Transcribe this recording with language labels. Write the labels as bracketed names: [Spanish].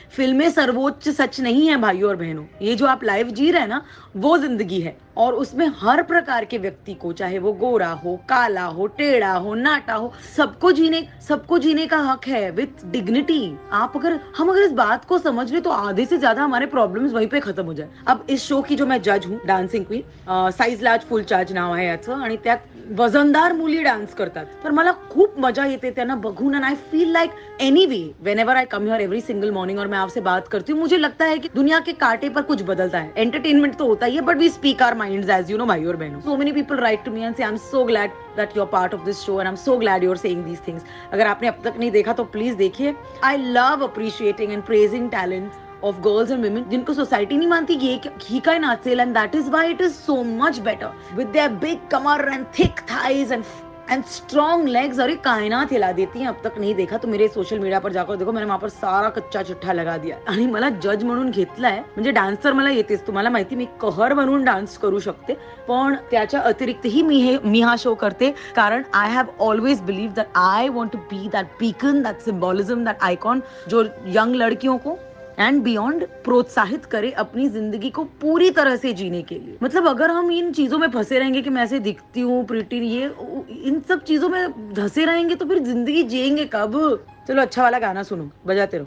[Hindi] फिल्में सर्वोच्च सच नहीं है भाइयों और बहनों, ये जो आप लाइव जी रहे हैं ना वो जिंदगी है, और उसमें हर प्रकार के व्यक्ति को, चाहे वो गोरा हो, काला हो, टेढ़ा हो, नाटा हो, सबको जीने का हक है विथ डिग्निटी। हम अगर इस बात को समझ ले तो आधे से ज्यादा हमारे प्रॉब्लम्स वहीं पे खत्म हो जाए। अब इस शो की जो मैं जज हूँ, [Marathi] डांसिंग क्वीन, साइज लार्ज फुल चार्ज नाव आहे याचं, आणि त्यात वजनदार मुली डान्स करतात, पण मला खूप मजा येते त्यांना बघून। [English] and I feel like anyway whenever I come here every single morning [Hindi] और मैं आपसे बात करती हूँ, मुझे लगता है कि दुनिया के कांटे पर कुछ बदलता है। एंटरटेनमेंट तो होता ही है, [English] but we speak our minds as you know [Hindi] भाई और बहनों। [English] So many people write to me and say I am so glad that you are part of this show and I am so glad you are saying these things. [Hindi] अगर आपने अब तक नहीं देखा तो प्लीज देखिए। [English] I love appreciating and praising talent of girls and women [Hindi] जिनको society नहीं मानती कि ये घी का नाचेल, [English] and that is why it is so much better with their big kamar and thick thighs and strong legs। [Hindi] अरे कायनात हिला देती है। अब तक नहीं देखा तो मेरे सोशल मीडिया पर जाकर देखो, मैंने वहां पर सारा कच्चा चिट्ठा लगा दिया। [Marathi] आणि मला जज म्हणून घेतलाय, म्हणजे डान्सर मला येतेच, तुम्हाला माहिती मी कहर म्हणून डान्स करू शकते, पण त्याच्या अतिरिक्तही मी हा शो करते, कारण [English] I have always believe that I want to be that beacon, that symbolism, that icon [Hindi] जो यंग लड़कियों को एंड बियॉन्ड प्रोत्साहित करे अपनी जिंदगी को पूरी तरह से जीने के लिए। मतलब अगर हम इन चीजों में फंसे रहेंगे कि मैं ऐसे दिखती हूँ, प्रीटी, ये इन सब चीजों में धंसे रहेंगे तो फिर जिंदगी जिएंगे कब? चलो अच्छा वाला गाना सुनो, बजाते रहो।